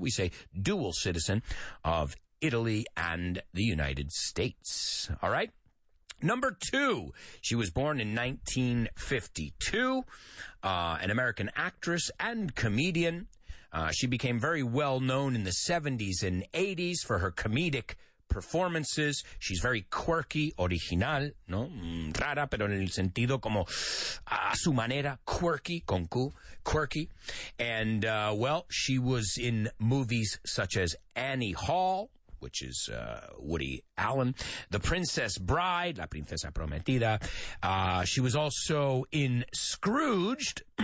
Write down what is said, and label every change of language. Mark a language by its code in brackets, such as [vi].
[en] We say dual citizen of Italy and the United States. All right? Number two, she was born in 1952, an American actress and comedian. She became very well known in the 70s and 80s for her comedic performances. She's very quirky, original, ¿no? [es] Rara, pero en el sentido como a su manera, quirky, con Q, quirky. [en] And, well, she was in movies such as Annie Hall, which is Woody Allen, The Princess Bride, La Princesa Prometida. She was also in Scrooged.